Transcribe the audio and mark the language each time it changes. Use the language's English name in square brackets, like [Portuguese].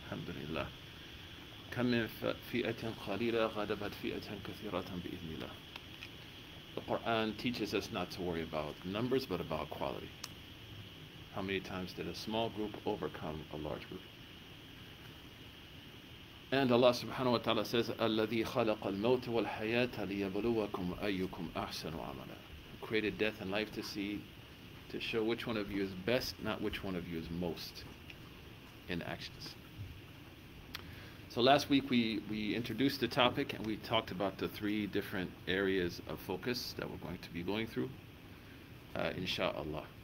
[Arabic] Alhamdulillah. كَمْ مِنْ فِئَةٍ قَلِيلَ غَلَبَتْ فِئَةً كَثِيرَةً بِإِذْنِ اللَّهِ. [English] The Qur'an teaches us not to worry about numbers, but about quality. How many times did a small group overcome a large group? And Allah subhanahu wa ta'ala says, [Arabic] الَّذِي خَلَقَ الْمَوْتَ وَالْحَيَاةَ لِيَبْلُوَكُمْ أَيُّكُمْ أَحْسَنُ عَمَلًا. [English] Created death and life to see, to show which one of you is best, not which one of you is most in actions. So last week we introduced the topic and we talked about the three different areas of focus that we're going to be going through, inshallah.